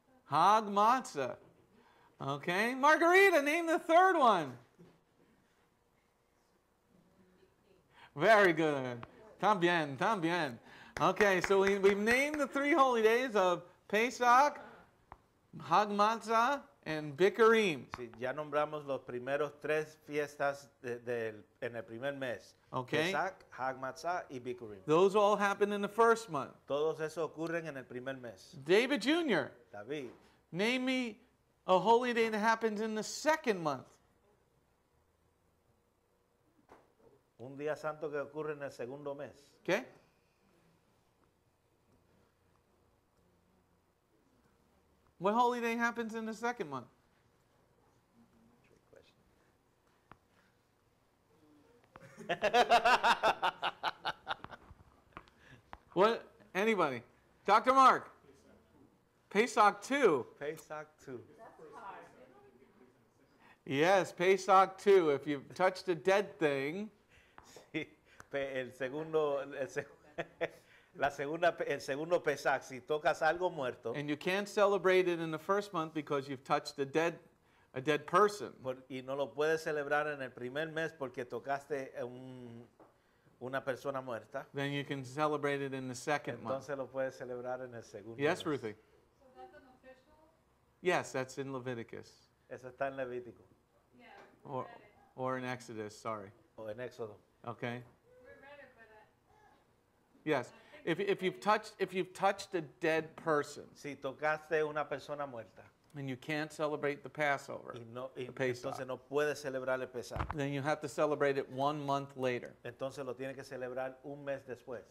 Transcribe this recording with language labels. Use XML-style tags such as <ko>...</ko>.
<en>Hag matzah. Okay. Margarita, name the third one. Very good.</en> <es>También, también.</es> <en>Okay, so we've named the three holy days of Pesach, Hag matzah, and Bikurim.</en> <es>Sí, ya nombramos los primeros tres fiestas en el primer mes.</es> <en>Okay.</en> <es>Pesach, Hag matzah, y Bikurim.</es> <en>Those all happen in the first month.</en> <es>Todos eso ocurren en el primer mes.</es> <en>David Jr. David. Name me a holy day that happens in the second month.</en> <es>Un día santo que ocurre en el segundo mes. ¿Qué?</es> <en>What holy day happens in the second month? What? Anybody? Dr. Mark? Pesach 2. Pesach 2. Yes, Pesach 2. If you've touched a dead thing.</en> <es>Sí, el segundo Pesach, si tocas algo muerto.</es> <en>And you can't celebrate it in the first month because you've touched a dead person.</en> <es>Y no lo puedes celebrar en el primer mes porque tocaste una persona muerta.</es> <en>Then you can celebrate it in the second month.</en> <es>Entonces lo puedes celebrar en el segundo</es> <en>mes. Yes, Ruthie. Yes, that's in Leviticus.</en> <es>Eso está en Levítico.</es> <en>Yeah. Or in Exodus, sorry. Oh, in Exodo. Okay. We read it. Yes. If you've touched a dead person.</en> <es>Si tocaste una persona muerta.</es> <en>And you can't celebrate the Passover.</en> <es>Entonces no puede celebrar el Pesaj.</es> <en>Then you have to celebrate it 1 month later.</en> <es>Entonces lo tiene que celebrar un mes después.</es>